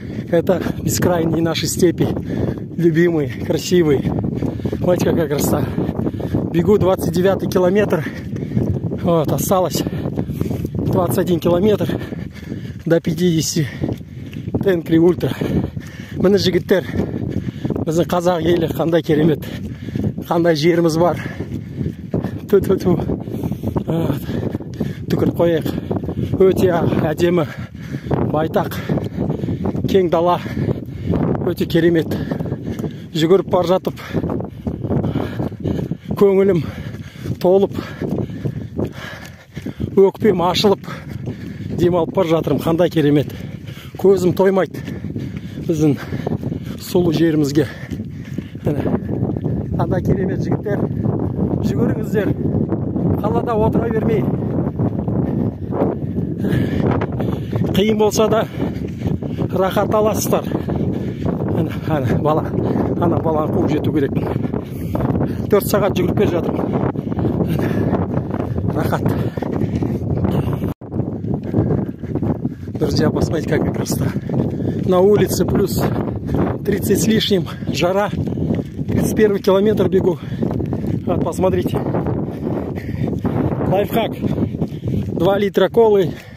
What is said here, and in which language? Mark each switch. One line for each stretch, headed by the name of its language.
Russian: Это бескрайние наши степи. Любимые, красивые. Смотрите, какая красота. Бегу 29 километр. Вот, осталось 21 километр до 50 Тенгри Ультра.
Kazakh: Міне жігіттер, біздің қазақ елі қандай керемет, қандай жеріміз бар. Ту-ту-ту. Түкір қойық. Өте әдемі байтақ, кең дала, өте керемет. Жүгіріп бар жатып, көңілім толып, өкпем ашылып, демалып бар жатырым, қандай керемет. Көзім тоймайды біздің сұлу жерімізге. Қандай керемет жігіттер. Жүгіріңіздер, қалада отыра бермей. Қиын болса да рахат аласыздар. Ана баланы қуып жету керек. 4 сағат жүгіріп келе жатырмын. Рахат.
Russian: Друзья, посмотрите, какая красота. На улице плюс 30 с лишним, жара. С первого километра бегу. Вот, посмотрите. Лайфхак. 2 литра колы.